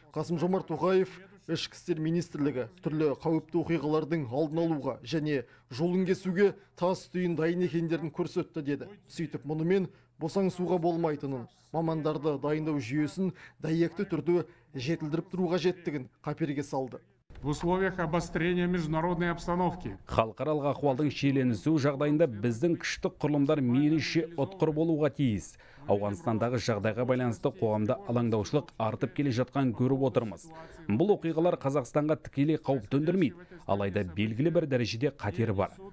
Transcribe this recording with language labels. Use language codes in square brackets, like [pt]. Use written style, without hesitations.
[kk] Қасым Жомарт Тоқаев ішкі істер министрлігі түрлі қауіпті оқиғалардың алдын алуға және жолын кесуге тас түйін дайын екендерін көрсетті деді. Сөйтіп мұнымен босаңсуға болмайтынын, мамандарды дайындау жүйесін дәйекті түрде жетілдіріп тұруға жеттігін қаперге салды. [ru] В условиях обострения международной обстановки. [kk] Халықаралық ахуалдың шиеленісуі жағдайында біздің күштік құрылымдар мейлінше ұтқыр болуға тиіс. Ауғанстандағы жағдайға байланысты қоғамда алаңдаушылық артып келе жатқан көріп отырмыз. Бұл оқиғалар Қазақстанға тікелей қауіп төндірмейді, алайда белгілі бір дәрежеде қатер бар.